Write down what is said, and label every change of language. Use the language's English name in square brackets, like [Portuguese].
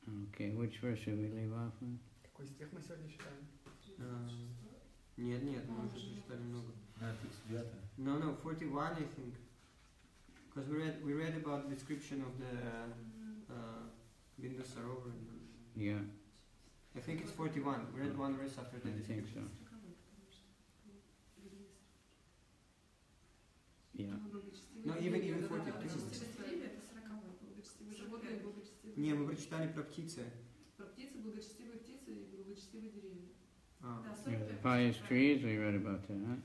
[English] Okay, which verse should we leave off with? [Russian] Какой стих мы сегодня читаем? Нет, нет, мы уже читали много. [English] No, 41, I think. Because we read about the description of the Bindusarovar. Yeah. I think it's 41. We read one verse after that. I think so. Yeah. No, even 42. [Russian] Не, мы прочитали про птицы. Про птицы, благочестивые птицы и благочестивые деревья. [English] The pious trees, we read about that, huh?